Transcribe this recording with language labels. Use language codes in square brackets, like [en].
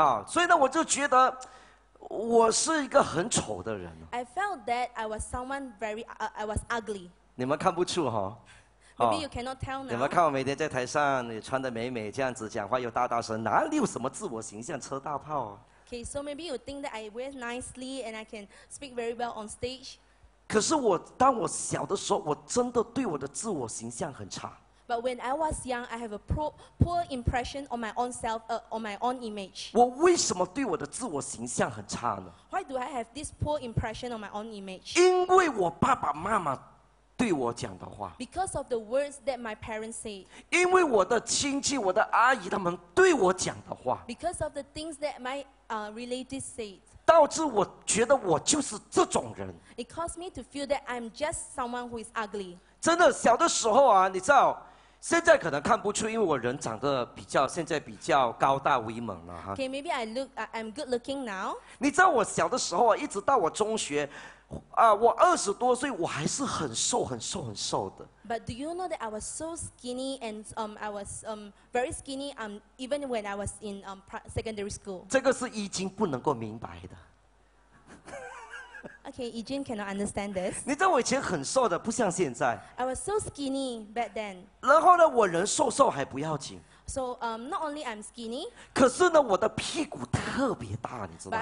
[zh] 啊，所以呢，我就觉得我是一个很丑的人。 [en] I felt that I was someone very, I was ugly. [zh] 你们看不出哈。 [en] Maybe you cannot tell now. [zh] 你们看我每天在台上，你穿得美美，这样子讲话又大大声，哪里有什么自我形象，车大炮啊。 [en] Okay, so maybe you think that I wear nicely and I can speak very well on stage. [zh] 可是我，当我小的时候，我真的对我的自我形象很差。 [en] But when I was young, I have a poor impression on my own self, on my own image. [zh] 我为什么对我的自我形象很差呢？ [en] Why do I have this poor impression on my own image? [zh] 因为我爸爸妈妈对我讲的话。 [en] Because of the words that my parents said. [zh] 因为我的亲戚、我的阿姨他们对我讲的话。 [en] Because of the things that my relatives said. [zh] 导致我觉得我就是这种人。 [en] It caused me to feel that I'm just someone who is ugly. [zh] 真的，小的时候啊，你知道。现在可能看不出，因为我人长得比较现在比较高大威猛了哈。 [en] Okay, maybe I look, I'm good looking now. [zh] 你知道我小的时候啊，一直到我中学，啊，我二十多岁，我还是很瘦、很瘦、很瘦的。 [en] But do you know that I was so skinny and I was very skinny even when I was in secondary school? [zh] 这个是易经不能够明白的。 [en] Okay, Eugene cannot understand this. [zh] 你知道我以前很瘦的，不像现在。 [en] I was so skinny back then. [zh] 然后呢，我人瘦瘦还不要紧。 [en] So, not only I'm skinny. [zh] 可是呢，我的屁股特别大，你知道吗